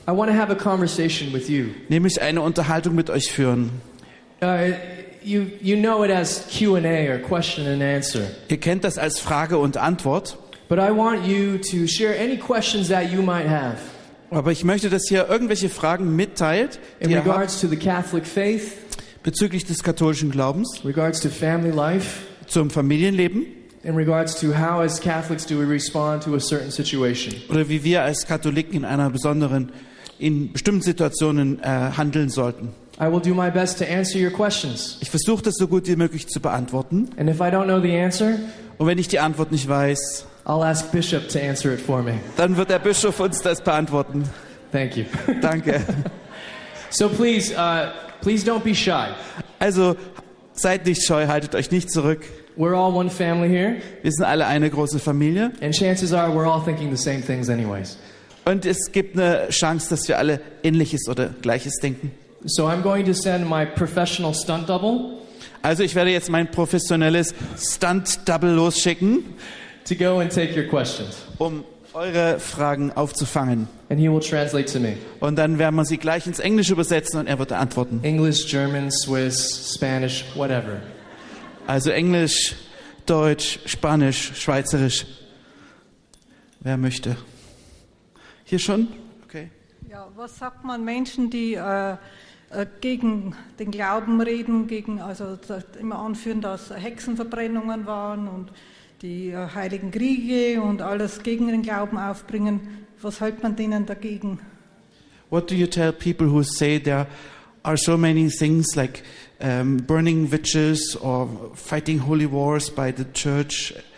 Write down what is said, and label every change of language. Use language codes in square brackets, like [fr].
[en] I want to have a conversation with you. [de] Ich möchte eine Unterhaltung mit euch führen. [en] You know it as Q&A or question and answer. [de] Ihr kennt das als Frage und Antwort. [en] But I want you to share any questions that you might have. [de] Aber ich möchte, dass ihr irgendwelche Fragen mitteilt, [en] in regards to the Catholic faith, [de] bezüglich des katholischen Glaubens, [en] regards to family life, [de] zum Familienleben, [en] in regards to how as Catholics do we respond to a certain situation, [de] oder wie wir als Katholiken in einer besonderen, in bestimmten Situationen handeln sollten. [en] I will do my best to answer your questions. [de] Ich versuche das so gut wie möglich zu beantworten. [en] And if I don't know the answer, [de] und wenn ich die Antwort nicht weiß, [en] I'll ask Bishop to answer it for me. [de] Dann wird der Bischof uns das beantworten. [en] Thank you. [de] Danke. [en] So please, please don't be shy. [de] Also seid nicht scheu, haltet euch nicht zurück. [en] We're all one family here. [de] Wir sind alle eine große Familie. [en] And chances are we're all thinking the same things anyways. [de] Und es gibt eine Chance, dass wir alle Ähnliches oder Gleiches denken. [en] So I'm going to send my professional stunt double. [de] Also ich werde jetzt mein professionelles Stunt Double losschicken. [en] To go and take your questions. [de] Um eure Fragen aufzufangen. [en] And he will translate to me. [de] Und dann werden wir sie gleich ins Englische übersetzen und er wird antworten. [en] English, German, Swiss, Spanish, whatever. [de] Also Englisch, Deutsch, Spanisch, Schweizerisch. Wer möchte? Hier schon? Okay. Ja, was sagt man Menschen, die gegen den Glauben reden, gegen, also immer anführen, dass Hexenverbrennungen waren und die heiligen Kriege und alles gegen den Glauben aufbringen, was hält man denen dagegen? [en] What do you tell people who say there are so many things like burning witches or fighting holy wars by the church?